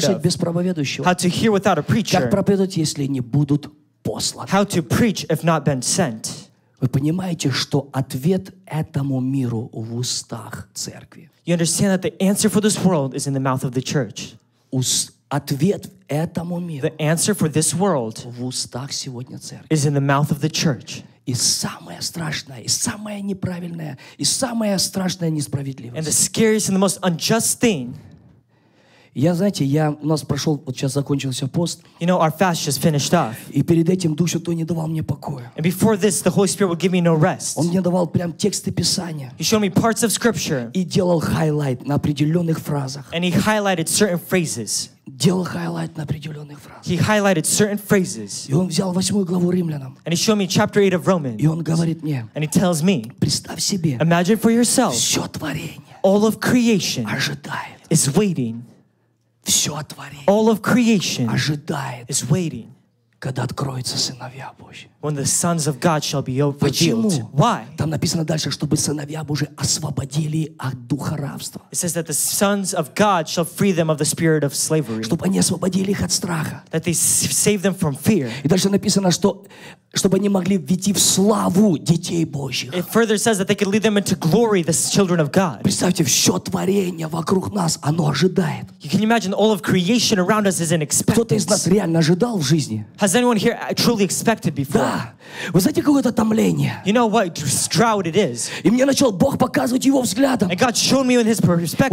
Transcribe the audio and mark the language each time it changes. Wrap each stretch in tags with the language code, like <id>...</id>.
<ru>Как слышать без проповедующего?</ru> <en>How to hear without a preacher.</en> <ru>Как проповедовать, если не будут посланы?</ru> <en>How to preach if not been sent.</en> <ru>Вы понимаете, что ответ этому миру в устах церкви?</ru> <en>You understand that the answer for this world is in the mouth of the church.</en> <ru>Ответ этому миру.</ru> <en>The answer for this world</en> <ru>в устах сегодня церкви.</ru> <en>Is in the mouth of the church.</en> <ru>И самое страшное, и самое неправильное, и самое страшное несправедливость.</ru> <en>And the scariest and the most unjust thing.</en> <ru>Я, знаете, я, у нас прошел, вот сейчас закончился пост.</ru> <en>You know, our fast just finished off.</en> <ru>И перед этим Дух Святой не давал мне покоя.</ru> <en>And before this, the Holy Spirit would give me no rest.</en> <ru>Он мне давал прям тексты Писания.</ru> <en>He showed me parts of Scripture.</en> <ru>И делал highlight на определенных фразах.</ru> <en>And he highlighted certain phrases.</en> <ru>Делал highlight на определенных фразах.</ru> <en>He highlighted certain phrases.</en> <ru>И он взял 8 главу Римлянам.</ru> <en>And he showed me chapter 8 of Romans.</en> <ru>И он говорит мне.</ru> <en>And he tells me.</en> <ru>Представь себе.</ru> <en>Imagine for yourself.</en> <ru>Все творение.</ru> <en>All of creation.</en> <ru>Ожидает.</ru> <en>Is waiting.</en> <ru>Все творение.</ru> <en>All of creation</en> <ru>ожидает.</ru> <en>Is waiting.</en> <ru>Когда откроются сыновья Божьи.</ru> <en>When the sons of God shall be revealed.</en> <ru>Почему?</ru> <en>Why?</en> <ru>Там написано дальше, чтобы сыновья Божьи освободили от духа рабства.</ru> <en>It says that the sons of God shall free them of the spirit of slavery.</en> <ru>Чтобы они освободили их от страха.</ru> <en>That they save them from fear.</en> <ru>И дальше написано, что чтобы они могли ввести в славу детей Божьих.</ru> <en>It further says that they could lead them into glory, the children of God.</en> <ru>Представьте, все творение вокруг нас, оно ожидает.</ru> <en>You can imagine all of creation around us is in expectation.</en> <ru>Кто-то из нас реально ожидал в жизни?</ru> <en>Has anyone here truly expected before?</en> <ru>Да. Вы знаете, какое-то томление?</ru> <en>You know what drought it is?</en> <ru>И мне начал Бог показывать его взглядом.</ru> <en>And God showed me in his perspective.</en>